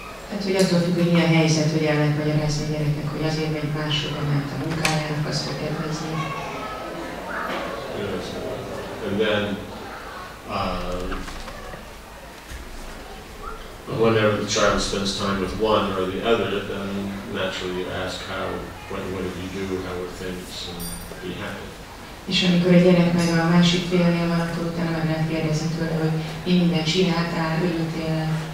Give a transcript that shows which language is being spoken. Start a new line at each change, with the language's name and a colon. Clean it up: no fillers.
Hungarian: Hát, hogy attól függ, hogy milyen helyzet, hogy el lehet magyarázni a gyereknek, hogy azért megy máshova, mert a munkájának azt fog kedvezni.
English: Yes. And then, whenever the child spends time with one or the other, then naturally you ask how, what did you do, how were things, and be happy.
Hungarian: És amikor a gyerek meg a másik félnél van, akkor utána meg lehet kérdezni tőle, hogy mi mindent csináltál, örültél.